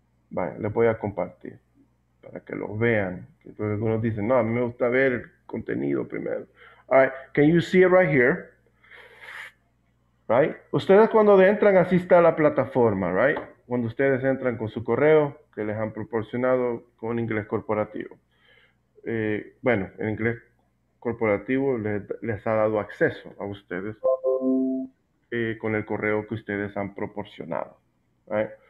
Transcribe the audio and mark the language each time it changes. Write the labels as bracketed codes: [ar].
[es] Vale, les voy a compartir para que lo vean. Entonces, algunos dicen, no, a mí me gusta ver el contenido primero. [en] All right, can you see it right here? Right? [es] Ustedes cuando entran, así está la plataforma, right? Cuando ustedes entran con su correo que les han proporcionado con inglés corporativo. Bueno, en inglés corporativo les ha dado acceso a ustedes con el correo que ustedes han proporcionado, right?